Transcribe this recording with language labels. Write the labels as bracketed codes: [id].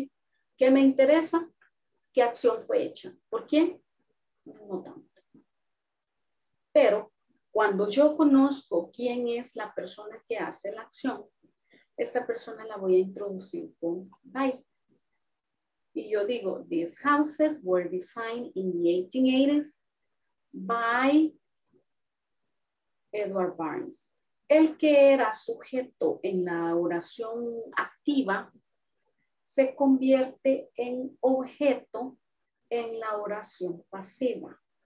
[es] ¿Sí? ¿Qué me interesa? ¿Qué acción fue hecha? ¿Por quién? No tanto. Pero cuando yo conozco quién es la persona que hace la acción, esta persona la voy a introducir con by. Y yo digo, [en] these houses were designed in the 1880s by Edward Barnes. [es] El que era sujeto en la oración activa se convierte en objeto en la oración pasiva.